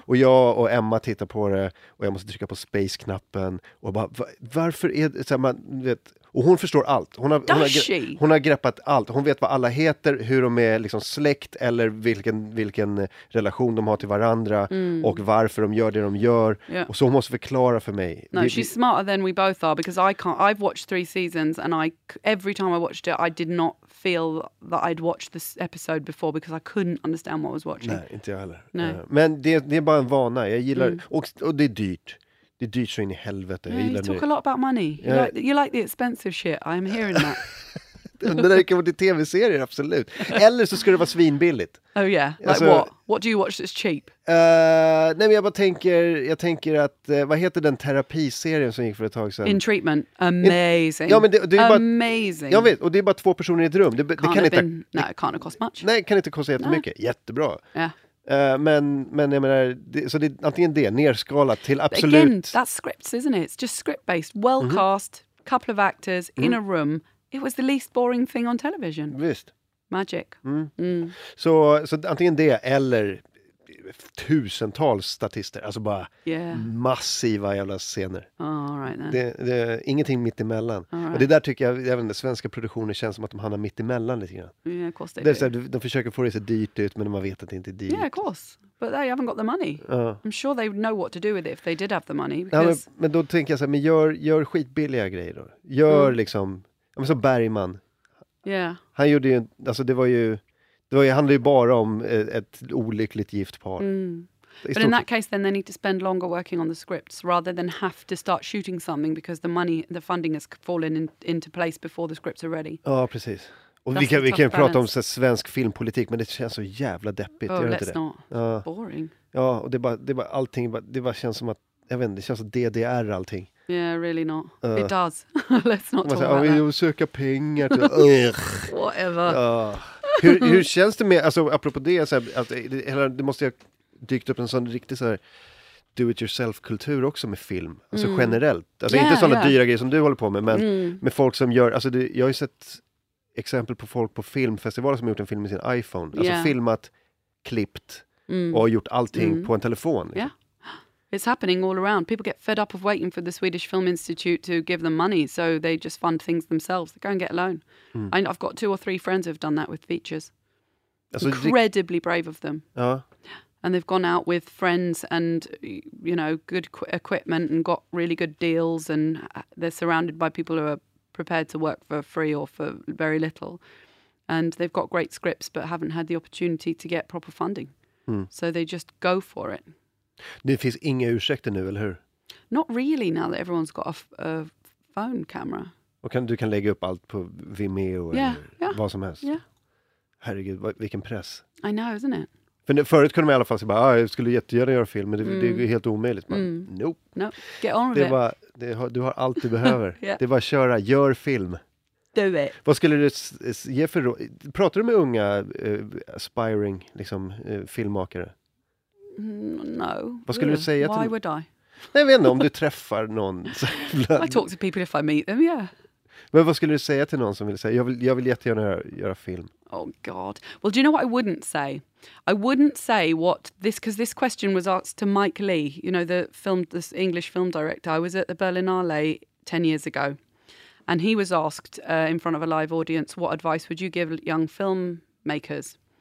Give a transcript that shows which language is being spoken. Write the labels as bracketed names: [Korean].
[Swedish] Och jag och Emma tittar på det. Och jag måste trycka på space-knappen. Och bara, varför är det så här, man vet. Och hon förstår allt. Hon har greppat allt. Hon vet vad alla heter, hur de är liksom släkt eller vilken relation de har till varandra och varför de gör det de gör. [English] Yeah. [Swedish] Och så hon måste förklara för mig. [English] No, she's smarter than we both are because I've watched 3 seasons and every time I watched it I did not feel that I'd watched this episode before because I couldn't understand what I was watching. [Swedish] Nej, inte jag heller. [English] No. [Swedish] Men det är bara en vana. Jag gillar och det är dyrt. Det är dyrt så in i helvete. [English] Yeah, you talk a lot about money. You like the expensive shit. I'm hearing that. [Swedish] Det där kan vara till tv-serier, absolut. Eller så ska det vara svinbilligt. [English] Oh yeah, alltså, like what? What do you watch that's cheap? [Swedish] Nej, men jag bara tänker, vad heter den terapiserien som gick för ett tag sedan? [English] In Treatment, amazing. [Swedish] Ja, men det är bara, [English] amazing. [Swedish] Jag vet, och det är bara två personer i ett rum. Det kan inte, [English] it can't cost much. [Swedish] Nej, kan inte kosta jättemycket. [English] No. Jättebra. [Swedish] Ja. Yeah. Men jag menar, så det är antingen det, nerskalat till absolut. [English] Again, that's scripts, isn't it? It's just script-based, well-cast, mm-hmm. couple of actors mm-hmm. in a room. It was the least boring thing on television. [Swedish] Visst. [English] Magic. [Swedish] Mm. Mm. Så antingen det, eller tusentals statister. Alltså bara massiva jävla scener. [English] All right, then. [Swedish] Det är ingenting mitt emellan. Right. Och det där tycker jag, även den svenska produktionen känns som att de hamnar mitt emellan lite grann. [English] Yeah, of course. [Swedish] De försöker få det så dyrt ut, men man vet att det inte är dyrt. [English] Yeah, of course. But they haven't got the money. I'm sure they would know what to do with it if they did have the money. Because... [Swedish] Ja, men då tänker jag så här, men gör skitbilliga grejer då. Gör liksom, ja, men så Bergman. [English] Yeah. [Swedish] Han gjorde ju, alltså det var ju... Det handlar ju bara om ett olyckligt gift par. Mm. [English] But in that case then they need to spend longer working on the scripts rather than have to start shooting something because the funding has fallen into place before the scripts are ready. [Swedish] Ja, precis. Och vi kan prata om så svensk filmpolitik, men det känns så jävla deppigt, gör inte [English] det? Not. Boring. [Swedish] Ja, och det är bara allting, det bara känns som att, jag vet inte, det känns som DDR allting. [English] Yeah, really not. It does. Let's not talk about that. [Swedish] Vi vill söka pengar. [English] Whatever. [Swedish] Hur känns det med, alltså apropå det, så här, att det måste ju ha dykt upp en sån riktig så här do-it-yourself-kultur också med film. Alltså generellt. Alltså inte sådana dyra grejer som du håller på med, men med folk som gör, alltså jag har ju sett exempel på folk på filmfestivaler som har gjort en film med sin iPhone. Alltså filmat, klippt och gjort allting på en telefon. [English] Liksom. Yeah. It's happening all around. People get fed up of waiting for the Swedish Film Institute to give them money, so they just fund things themselves. They go and get a loan. Mm. I've got two or three friends who have done that with features. Alltså, incredibly brave of them. [Swedish] Ja. [English] And they've gone out with friends and, you know, good equipment and got really good deals, and they're surrounded by people who are prepared to work for free or for very little. And they've got great scripts but haven't had the opportunity to get proper funding. Mm. So they just go for it. [Swedish] Det finns inga ursäkter nu, eller hur? [English] Not really, now that everyone's got a phone camera. [Swedish] Och du kan lägga upp allt på Vimeo eller vad som helst. [English] Yeah. [Swedish] Herregud, vilken press. [English] I know, isn't it? [Swedish] För förut kunde man i alla fall säga, jag skulle jättegärna göra film, men det är helt omöjligt. Bara, [English] nope. Get on with [Swedish] det. Du har allt du behöver. [English] Yeah. [Swedish] Det är bara att köra, gör film. [English] Do it. [Swedish] Vad skulle du ge för råd? Pratar du med unga aspiring filmmakare? [English] No. [Swedish] Vad skulle du säga [English] till? Why would I? [Swedish] Nej, men om du träffar någon. [English] I talk to people if I meet them, yeah. [Swedish] Men vad skulle du säga till någon som vill säga, jag vill jättegärna göra film? [English] Oh god. Well, do you know what I wouldn't say? I wouldn't say what this, because this question was asked to Mike Lee, you know, the English film director. I was at the Berlinale 10 years ago. And he was asked in front of a live audience, what advice would you give young filmmakers?